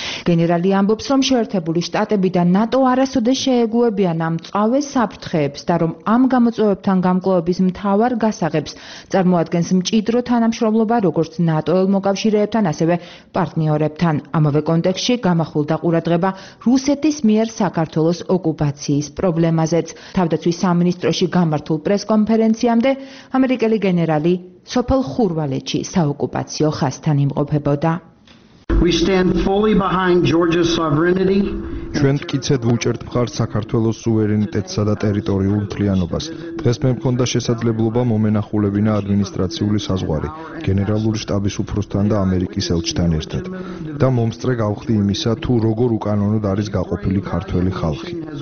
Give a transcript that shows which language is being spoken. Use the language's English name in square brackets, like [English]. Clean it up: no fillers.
[Georgian] გენერალი ამბობს, რომ შეერთებული შტატები და ნატო არასოდეს შეეგუებიან მწავე საფრთხეებს და რომ ამ გამოწვევებთან გამკლავების მთავარ გასაღებს წარმოადგენს მჭიდრო თანამშრომლობა როგორც ნატოელ მოკავშირეებთან, ასევე პარტნიორებთან. ამავე კონტექსში გამახვილდა ყურადღება რუსეთის მიერ საქართველოს ოკუპაციის პრობლემაზეც. თავდაცვის სამინისტროში გამართულ პრესკონფერენციამდე ამერიკელი გენერალი სოფელ ხურვალეთში საოკუპაციო ხასთან იმყოფებოდა. [English] We stand fully behind Georgia's sovereignty. [Georgian] ჩვენ მტკიცედ ვუჭერთ მხარს საქართველოს სუვერენიტეტსა და ტერიტორიულ მთლიანობას. დღეს მე მქონდა შესაძლებლობა მომენახულებინა ადმინისტრაციული საზღვარი გენერალური შტაბის უფროსთან და ამერიკის ელჩთან ერთად და მომსწრე გავხდი იმისა, თუ როგორ უკანონოდ არის გაყოფილი ქართველი ხალხი.